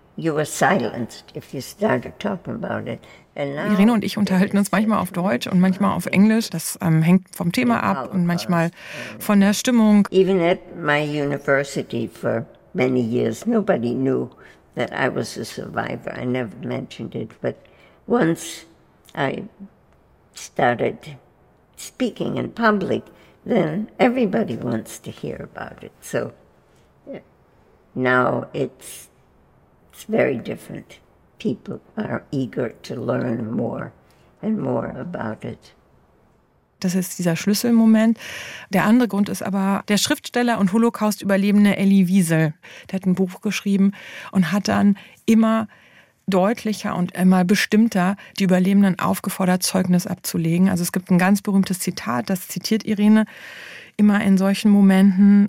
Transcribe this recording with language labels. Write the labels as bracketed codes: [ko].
[en] You were silenced if you started talking about it. [de] Irene und ich unterhalten uns manchmal auf Deutsch und manchmal auf Englisch. Das hängt vom Thema ab und manchmal von der Stimmung. [en] Even at my university for many years, nobody knew that I was a survivor. I never mentioned it, but once I started speaking in public, then everybody wants to hear about it. So now it's very different. People are eager to learn more and more about it. [de] Das ist dieser Schlüsselmoment. Der andere Grund ist aber der Schriftsteller und Holocaust-Überlebende Elie Wiesel. Der hat ein Buch geschrieben und hat dann immer deutlicher und immer bestimmter die Überlebenden aufgefordert, Zeugnis abzulegen. Also es gibt ein ganz berühmtes Zitat, das zitiert Irene immer in solchen Momenten.